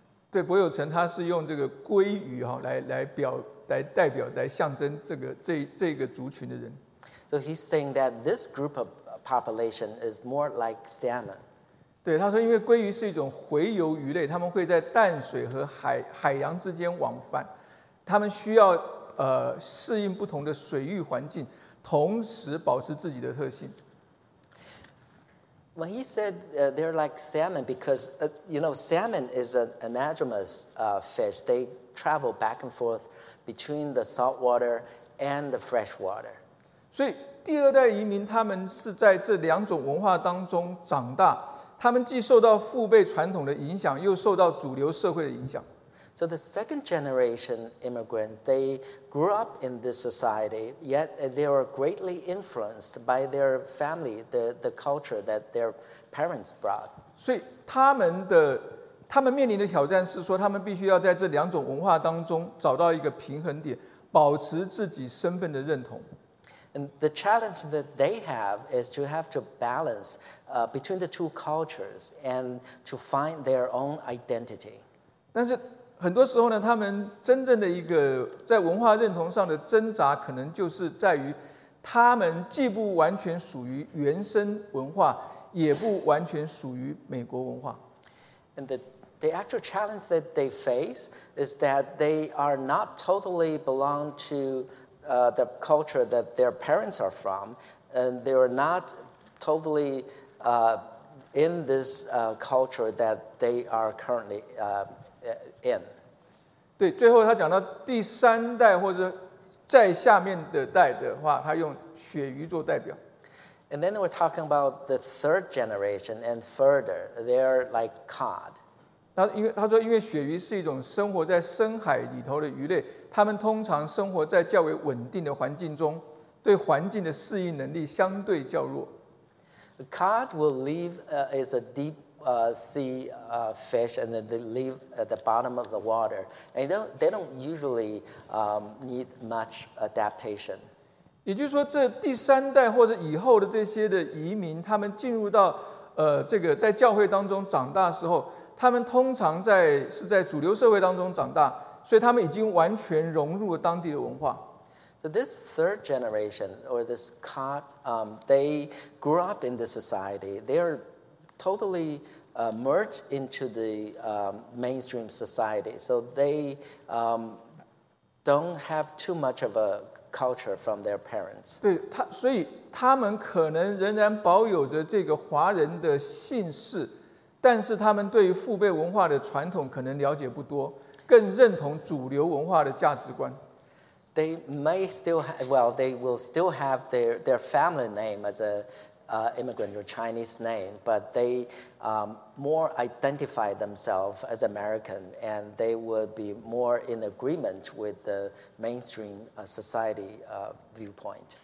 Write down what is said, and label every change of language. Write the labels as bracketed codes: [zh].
[zh] 对，柏友成他是用这个鲑鱼哈来代表象征这个族群的人。 [en] So he's saying that this group of population is more like salmon. [zh] 对，他说因为鲑鱼是一种洄游鱼类，他们会在淡水和 海洋之间往返，他们需要适应不同的水域环境，同时保持自己的特性。 [en] When he said they're like salmon because you know salmon is an anadromous fish, they travel back and forth between the salt water and the fresh water. [zh] 所以第二代移民他们是在这两种文化当中长大，他们既受到父辈传统的影响，又受到主流社会的影响。 [en] So the second generation immigrant, they grew up in this society, yet they were greatly influenced by their family, the culture that their parents brought. [zh] 所以他们面临的挑战是说，他们必须要在这两种文化当中找到一个平衡点，保持自己身份的认同。 [en] And the challenge that they have is to have to balance between the two cultures and to find their own identity. [zh] 但是很多时候呢，他们真正的一个在文化认同上的挣扎，可能就是在于他们既不完全属于原生文化，也不完全属于美国文化。 [en] And the actual challenge that they face is that they are not totally belong to the culture that their parents are from, and they are not totally in this culture that they are currently in. [zh] 对，最后他讲到第三代或者在下面的代的话，他用鳕鱼做代表。 [en] And then we're talking about the third generation and further. They're like cod. [zh] 他说因为鳕鱼是一种生活在深海里头的鱼类，他们通常生活在较为稳定的环境中，对环境的适应能力相对较弱。 [en] A cod will live as a deep sea fish, and then they live at the bottom of the water. And they don't usually need much adaptation. [zh] 也就是说，这第三代或者以后的这些的移民，他们进入到这个在教会当中长大的时候，他们通常是在主流社会当中长大，所以他们已经完全融入了当地的文化。 [en] So this third generation or this cod, they grew up in the society. They are totally merged into the mainstream society. So they don't have too much of a culture from their parents. [zh] 对，所以他们可能仍然保有着这个华人的姓氏，但是他们对于父辈文化的传统可能了解不多，更认同主流文化的价值观。 [en] They may still have, well, they will still have their family name as an immigrant or Chinese name, but they more identify themselves as American, and they would be more in agreement with the mainstream society viewpoint.